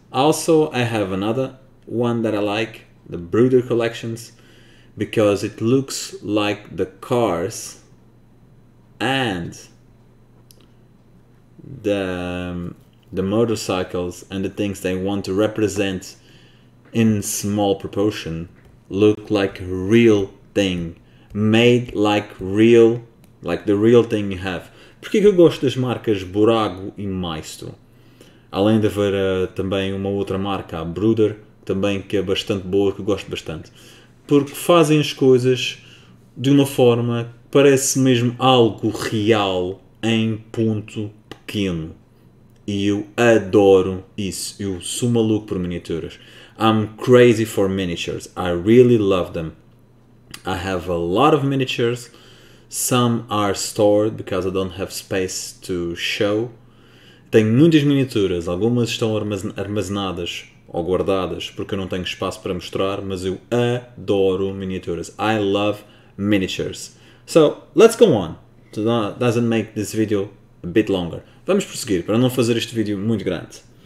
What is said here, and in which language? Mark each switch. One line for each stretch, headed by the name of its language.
English: Also, I have another one that I like, the Bruder collections, because it looks like the cars and the motorcycles and the things they want to represent in small proportion look like real thing, made like real, like the real thing you have.
Portuguese: Porquê que eu gosto das marcas Burago e Maisto? Além de haver também uma outra marca, a Bruder, também que é bastante boa, que eu gosto bastante. Porque fazem as coisas de uma forma que parece mesmo algo real em ponto pequeno. E eu adoro isso. Eu sou maluco por miniaturas.
English: I'm crazy for miniatures. I really love them. I have a lot of miniatures. Some are stored because I don't have space to show.
Portuguese: Tenho muitas miniaturas. Algumas estão armazenadas ou guardadas porque eu não tenho espaço para mostrar. Mas eu adoro miniaturas.
English: I love miniatures. So, let's go on. Doesn't make this video a bit longer.
Portuguese: Vamos prosseguir, para não fazer este vídeo muito grande.